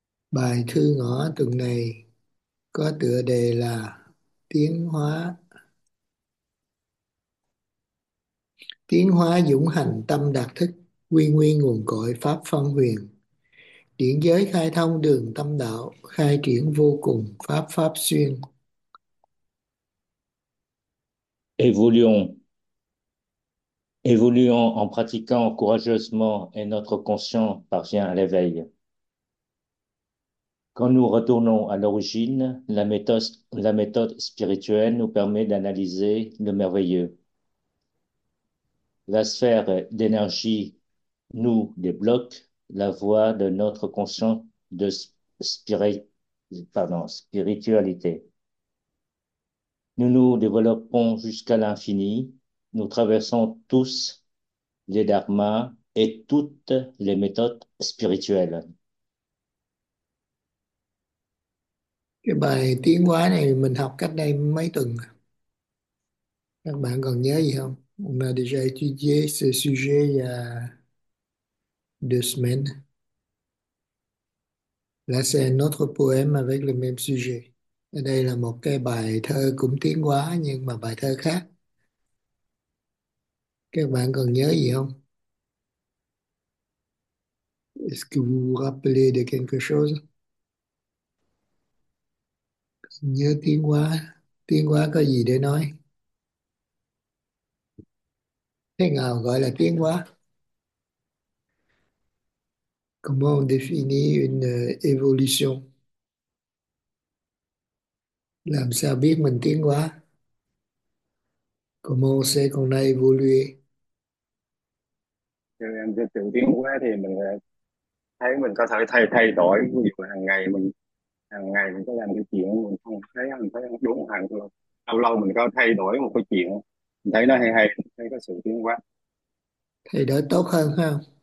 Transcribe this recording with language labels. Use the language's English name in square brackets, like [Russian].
[Vietnamese] Bài thư ngữ tuần này có tựa đề là Tiến hóa. Tiến hóa dũng hành tâm đạt thức, quy nguyên nguồn cội pháp phong huyền. Điển giới khai thông đường tâm đạo, khai triển vô cùng pháp pháp xuyên. [French] Évoluons, évoluons en pratiquant courageusement et notre conscience parvient à l'éveil. Quand nous retournons à l'origine, la méthode spirituelle nous permet d'analyser le merveilleux. La sphère d'énergie nous débloque la voie de notre conscience de spiritualité. Nous nous développons jusqu'à l'infini, nous traversons tous les dharmas et toutes les méthodes spirituelles. [Vietnamese] Cái bài tiến hóa này mình học cách đây mấy tuần, các bạn còn nhớ gì không? [French] On a déjà étudié ce sujet il y a 2 semaines. Là c'est un autre poème avec le même sujet. [Vietnamese] Ở đây là một cái bài thơ cũng tiến hóa nhưng mà bài thơ khác. Các bạn còn nhớ gì không? [French] Est-ce que vous vous rappelez de quelque chose? [Vietnamese] Nhớ tiến hóa có gì để nói? Thế nào gọi là tiến hóa? [French] Comment définir une évolution? [Vietnamese] Làm sao biết mình tiến hóa? [French] Comment sait qu'on a évolué? [Vietnamese] Em sẽ tự tiến quá thì mình thấy mình có thể thay thay đổi ví dụ hàng ngày mình có làm cái chuyện mình không thấy mình thấy đúng hàng luôn lâu lâu mình có thay đổi một cái chuyện mình thấy nó hay hay thấy có sự tiến quá Thì đỡ tốt hơn ha.